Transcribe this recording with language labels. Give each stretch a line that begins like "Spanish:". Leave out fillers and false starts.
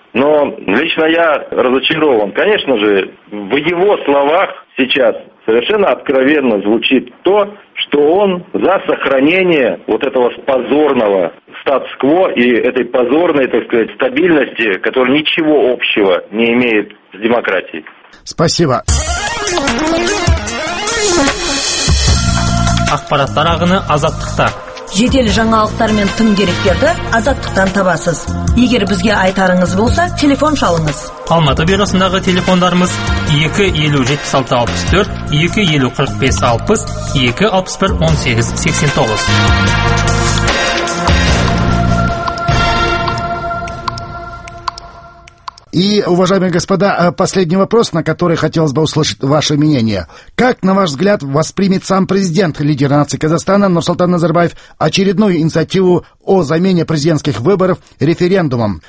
Russian: Но лично я разочарован. Конечно же, в его словах сейчас совершенно откровенно звучит то, что он за сохранение вот этого позорного статус-кво и этой позорной, так сказать, стабильности, которая ничего общего не имеет с демократией. Спасибо.
Kazakh: Ақпараттар ағыны азаттықта. Жедел жаңалықтар мен тың деректерді азаттықтан табасыз. Егер бізге айтарыңыз болса, телефон шалыңыз. Алматы бюросындағы телефондарымыз 257664, 25460, 261-18-89.
Russian: И, уважаемые господа, последний вопрос, на который хотелось бы услышать ваше мнение. Как, на ваш взгляд, воспримет сам президент, лидер нации Казахстана Нурсултан Назарбаев, очередную инициативу о замене президентских выборов референдумом?